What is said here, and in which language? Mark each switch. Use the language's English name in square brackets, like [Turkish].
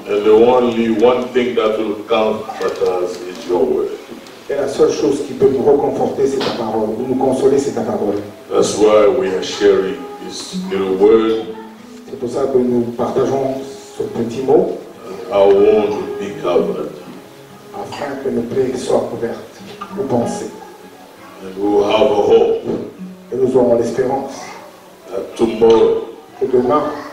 [English] And the only one thing that will comfort us is your word. [French] Et la seule chose qui peut nous reconforter, c'est ta parole. Nous consoler, c'est ta parole. [English] That's why we are sharing this little word. [French] C'est pour ça que nous partageons ce petit mot. [English] Our wounds will be covered. [French] Afin que nos plaies soient couvertes, nos pensées. [English] And we will have a hope. [French] Et nous aurons l'espérance. [English] That tomorrow, [French] que demain,